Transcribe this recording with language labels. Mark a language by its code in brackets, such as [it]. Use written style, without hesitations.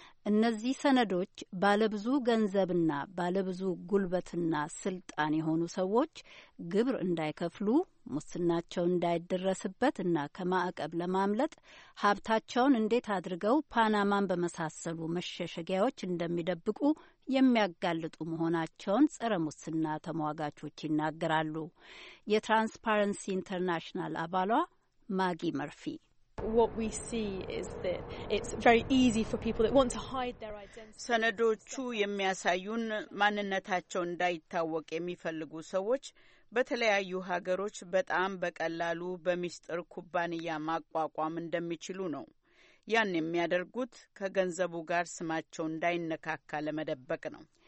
[am] እነዚህ ሰነዶች ባለብዙ ገንዘብና ባለብዙ ጉልበትና ስልጣን የሆኑ ሰዎች ግብር እንዳይከፍሉ፣ ሙስናቸው እንዳይደረስበት እና ከማዕቀብ ለማምለጥ ሀብታቸውን እንዴት አድርገው ፓናማን በመሳሰሉ መሸሸጊያዎች እንደሚደብቁ የሚያጋልጡ መሆናቸውን ጸረ ሙስና ተሟጋቾች ይናገራሉ። የትራንስፓረንሲ ኢንተርናሽናል አባሏ ማጊ መርፊ [en] What we see is that it's very easy for people that want to hide their identity. [am] ሰነዶቹ የሚያሳዩን ማንነታቸው እንዳይታወቅ የሚፈልጉ ሰዎች በተለያዩ ሀገሮች በጣም በቀላሉ በሚስጥር ኩባንያ ማቋቋም እንደሚችሉ ነው። ያን የሚያደርጉት ከገንዘቡ ጋር ስማቸው እንዳይነካካ ለመደበቅ ነው።